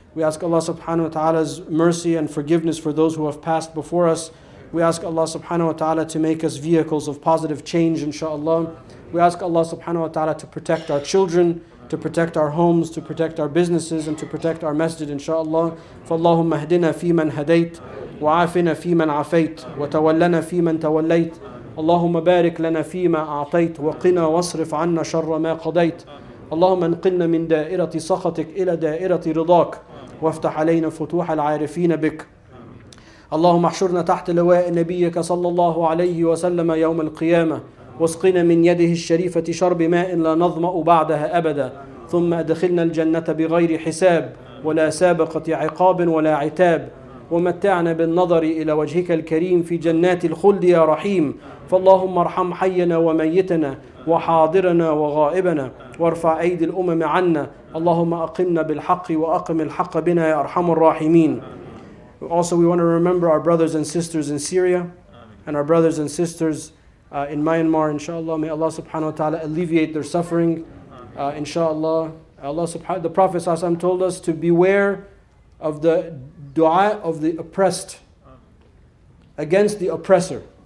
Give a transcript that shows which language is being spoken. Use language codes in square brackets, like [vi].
[en] We ask Allah subhanahu wa ta'ala's mercy and forgiveness for those who have passed before us. We ask Allah subhanahu wa ta'ala to make us vehicles of positive change, inshaAllah. We ask Allah subhanahu wa ta'ala to protect our children, to protect our homes, to protect our businesses, and to protect our masjid, inshaAllah. [ar] فَاللَّهُمَّ اهْدِنَا فِي مَنْ هَدَيْتَ وَعَافِنَا فِي مَنْ عَفَيْتَ وَتَوَلَّنَا فِي مَنْ تَوَلَّيْتَ اللَّهُمَّ بَارِكْ لَنَا فِي مَا أَعْطَيْتَ وَقِنَا وَاصْرِفْ عَنَّا شَرَّ مَا قَضَيْتَ اللَّهُمَّ انْقِلْنَا مِنْ دَائِرَةِ سَخَطِكَ إِلَى دَائِرَةِ رِضَاكَ وَافْتَحْ عَلَيْنَا فُتُوحَ الْعَارِفِينَ بِكَ اللهم احشرنا تحت لواء نبيك صلى الله عليه وسلم يوم القيامة واسقنا من يده الشريفة شرب ماء لا نظمأ بعدها أبدا ثم أدخلنا الجنة بغير حساب ولا سابقة عقاب ولا عتاب ومتعنا بالنظر إلى وجهك الكريم في جنات الخلد يا رحيم فاللهم ارحم حينا وميتنا وحاضرنا وغائبنا وارفع أيدي الأمم عنا اللهم أقمنا بالحق وأقم الحق بنا يا أرحم الراحمين. [en] Also, we want to remember our brothers and sisters in Syria and our brothers and sisters in Myanmar, inshallah. May Allah subhanahu wa ta'ala alleviate their suffering, inshallah. Allah subhanahu, the Prophet sallallahu alayhi wa sallam told us to beware of the dua of the oppressed against the oppressor.